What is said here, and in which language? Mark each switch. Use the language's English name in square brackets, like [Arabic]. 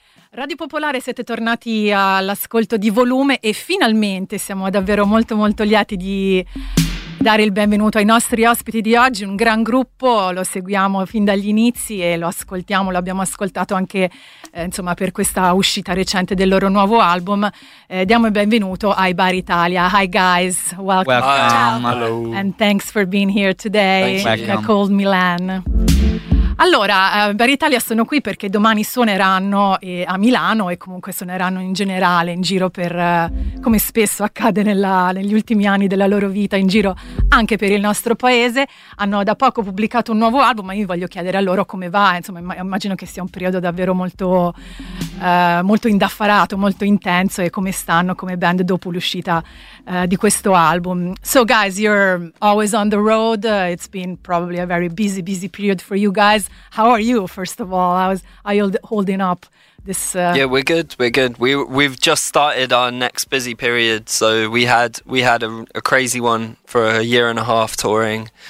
[Italian] Radio Popolare, siete tornati all'ascolto di Volume e finalmente siamo davvero molto molto lieti di dare il benvenuto ai nostri ospiti di oggi, un gran gruppo, lo seguiamo fin dagli inizi e lo ascoltiamo, lo abbiamo ascoltato anche insomma per questa uscita recente del loro nuovo album. Diamo il benvenuto ai Bar Italia. [English] Hi guys, welcome. Welcome. Hello. And thanks for being here today in a cold Milan. [Italian] Allora, Bar Italia sono qui perché domani suoneranno a Milano e comunque suoneranno in generale in giro per, come spesso accade negli ultimi anni della loro vita, in giro anche per il nostro paese. Hanno da poco pubblicato un nuovo album, ma io voglio chiedere a loro come va. Insomma, immagino che sia un periodo davvero molto, molto indaffarato, molto intenso, e come stanno come band dopo l'uscita di questo album. [English] So guys, you're always on the road. It's been probably a very busy, busy period for you guys. How are you, first of all? How are you holding up this? Yeah, we're good. We're good. We've just started our next busy period. So we had a crazy one for a year and a half touring.